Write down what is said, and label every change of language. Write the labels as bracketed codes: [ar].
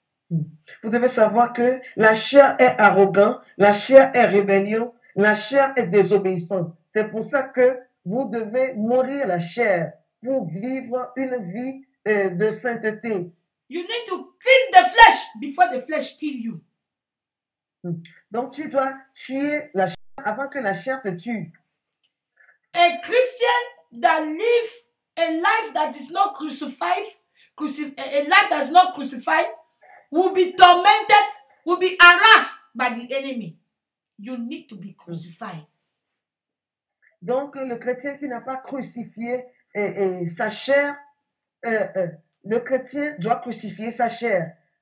[fr] Vous devez savoir que la chair est arrogant, la chair est rébellion, la chair est désobéissante. C'est pour ça que vous devez mourir la chair pour vivre une vie de sainteté. [en] You need to kill the flesh before the flesh kill you. [fr] Donc tu dois tuer la chair avant que la chair te tue. [en] A Christian that lives a life that is not crucified will be tormented, will be harassed by the enemy. You need to be crucified. [fr] Donc le chrétien qui n'a pas crucifié sa chair, le chrétien doit crucifier sa chair.